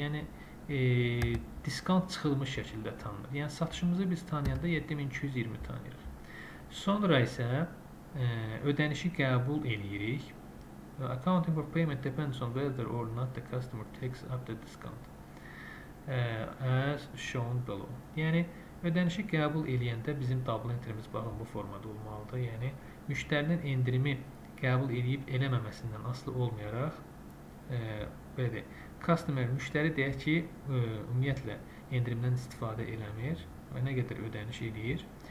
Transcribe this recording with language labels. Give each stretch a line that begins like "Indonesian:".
Azerbaijani: Yəni, diskant çıxılmış şəkildə tanınır. Yəni, satışımızı biz tanıyanda 7220 tanıyırıq. Sonra isə ödənişi qəbul eləyirik.
English: Accounting for payment depends on whether or not the customer takes up the discount as shown below.
Azerbaijani: Yəni, ödənişi qəbul eləyəndə bizim double entry-miz baxın bu formada olmalıdır. Yəni, müştərinin endirimi qəbul eləyib eləməməsindən asılı olmayaraq, belə deyək, customer müştəri deyək ki, ümumiyyətlə endirimdən istifadə eləmir və nə qədər ödəniş eləyir?